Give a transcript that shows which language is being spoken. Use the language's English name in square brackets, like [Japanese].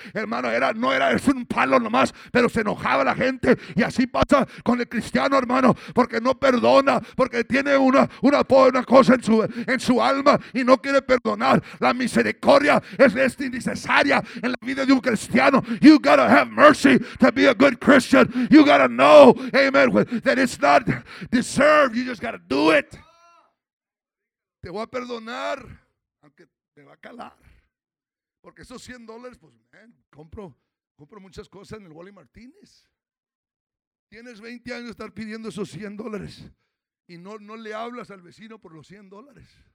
[Spanish] Hermano, es un palo nomás, pero se enojaba la gente. Y así pasa con el cristiano, hermano, porque no perdona, porque tiene una cosa en su alma y no quiere perdonar. La misericordia es innecesaria en la vida de un cristiano. [English] You gotta have mercy to be a good Christian. You gotta know, amen, that it's not deserved. You just gotta do it. [Spanish] Te voy a perdonar, aunque te va a calar. Porque esos $100, pues, man, compro muchas cosas en el Wally Martínez. Tienes 20 años de estar pidiendo esos $100 y no le hablas al vecino por los $100.